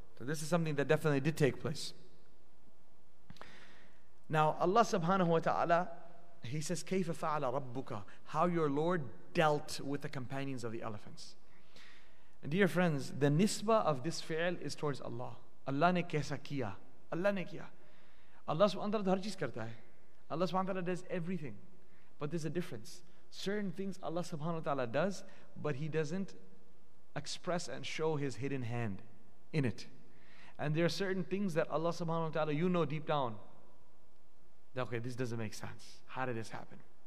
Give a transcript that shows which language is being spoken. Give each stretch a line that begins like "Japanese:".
English: So this is something that definitely did take place. Now Allah subhanahu wa ta'ala, he says,
Arabic: كَيْفَ فَعَلَ رَبُّكَ,
English: how your Lord dealt with the companions of the elephants. Dear friends, the nisbah of this fi'l is towards Allah.
Urdu: اللہ نے کیسا کیا؟ اللہ نے کیا؟ اللہ سبحانہ وتعالیٰ ہر چیز کرتا ہے۔
English: Allah subhanahu wa ta'ala does everything. But there's a difference. Certain things Allah subhanahu wa ta'ala does, but He doesn't express and show His hidden hand in it. And there are certain things that Allah subhanahu wa ta'ala, you know deep down, that okay, this doesn't make sense. How did this happen?